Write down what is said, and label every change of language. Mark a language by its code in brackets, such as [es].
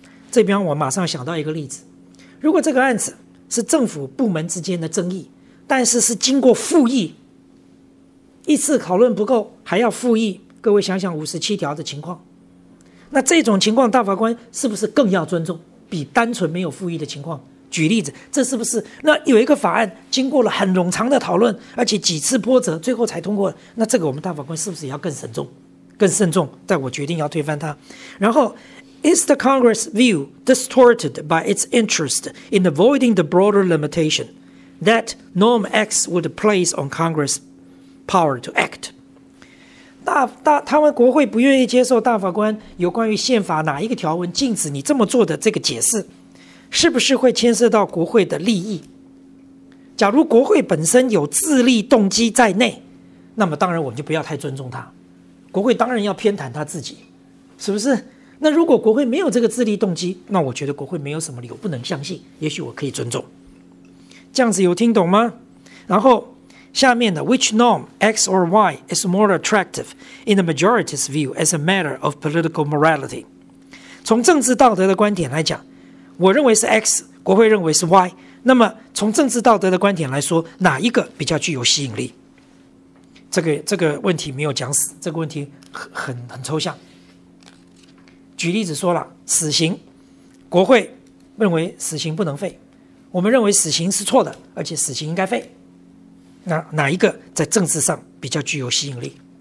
[zh] 这边我马上想到一个例子，如果这个案子是政府部门之间的争议，但是是经过复议，一次讨论不够还要复议，各位想想57条的情况，那这种情况大法官是不是更要尊重，比单纯没有复议的情况举例子，这是不是那有一个法案经过了很冗长的讨论，而且几次波折最后才通过，那这个我们大法官是不是也要更慎重，更慎重在我决定要推翻它。 [en] 然后 Is the Congress view distorted by its interest in avoiding the broader limitation that Norm X would place on Congress power to act？ [zh] 他们国会不愿意接受大法官有关于宪法哪一个条文禁止你这么做的这个解释，是不是会牵涉到国会的利益？假如国会本身有自利动机在内，那么当然我们就不要太尊重他，国会当然要偏袒他自己，是不是？那如果国会没有这个自利动机，那我觉得国会没有什么理由不能相信，也许我可以尊重。这样子有听懂吗？然后下面的 [en] Which norm, X or Y, is more attractive in the majority's view as a matter of political morality? [zh] 从政治道德的观点来讲，我认为是 X， 国会认为是 Y， 那么从政治道德的观点来说，哪一个比较具有吸引力？这个问题没有讲死，这个问题 很抽象。举例子说了，死刑，国会认为死刑不能废，我们认为死刑是错的，而且死刑应该废，那哪一个在政治上比较具有吸引力？